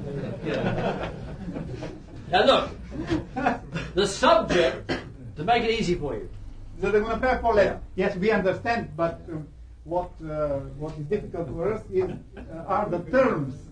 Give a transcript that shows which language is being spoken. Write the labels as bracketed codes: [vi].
[en] Now look, the subject, to make it easy for you. [bg] За да го направя по-лесно. [en] Yes, we understand, but what is difficult for us is are the terms.